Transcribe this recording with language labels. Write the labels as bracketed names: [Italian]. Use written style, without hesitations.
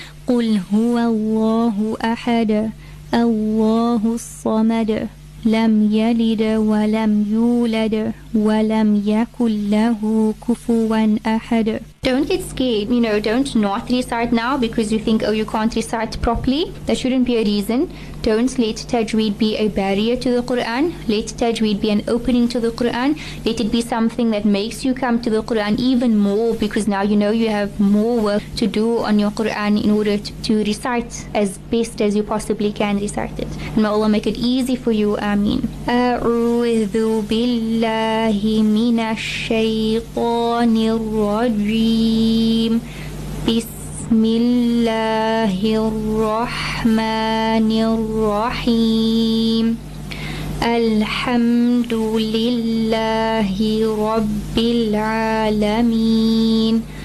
[Arabic] قل هو الله أحد الله الصمد لم يلد ولم يولد ولم يكن له كفوا أحد. [English] Don't get scared, you know, don't not recite now because you think, oh, you can't recite properly. That shouldn't be a reason. Don't let tajweed be a barrier to the Quran. Let tajweed be an opening to the Quran. Let it be something that makes you come to the Quran even more, because now you know you have more work to do on your Quran in order to recite as best as you possibly can recite it. And may Allah make it easy for you. [Arabic] آمين. أعوذ بالله من الشيطان الرجيم. بسم الله الرحمن الرحيم. الحمد لله رب العالمين.